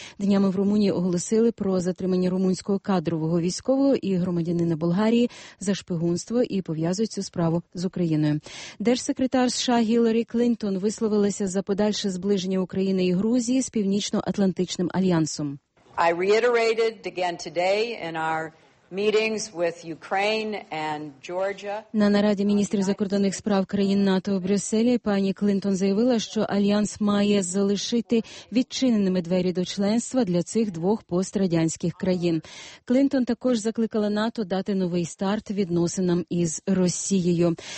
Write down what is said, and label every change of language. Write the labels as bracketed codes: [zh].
[uk] Днями в Румунії оголосили про затримання румунського кадрового військового і громадянина Болгарії за шпигунство і пов'язують цю справу з Україною. Держсекретар США Гіларі Клінтон висловилася за подальше зближення України і Грузії з Північно-Атлантичним альянсом. [en] I reiterated again today in our meetings with Ukraine and Georgia. [uk] На нараді міністрів закордонних справ країн НАТО в Брюсселі пані Клінтон заявила, що альянс має залишити відчиненими двері до членства для цих 2 пострадянських країн. Клінтон також закликала НАТО дати новий старт відносинам із Росією.